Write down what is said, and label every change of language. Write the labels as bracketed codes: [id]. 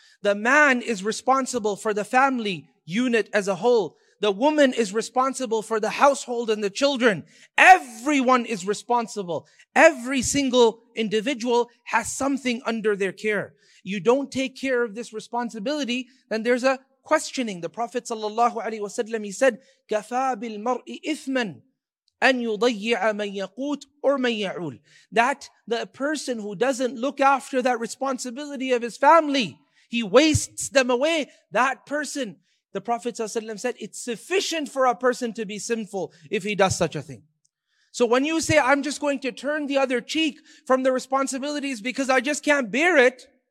[en] The man is responsible for the family unit as a whole. The woman is responsible for the household and the children. Everyone is responsible. Every single individual has something under their care. You don't take care of this responsibility, then there's a questioning. The Prophet sallallahu alaihi wasallam, he said, [ar] كَفَى بِالْمَرْءِ إِثْمًا أَنْ يُضَيِّعَ مَنْ يَقُوتُ أَوْ مَنْ يَعُولُ. [en] That the person who doesn't look after that responsibility of his family, he wastes them away. That person, the Prophet ﷺ said, it's sufficient for a person to be sinful if he does such a thing. So when you say, I'm just going to turn the other cheek from the responsibilities because I just can't bear it.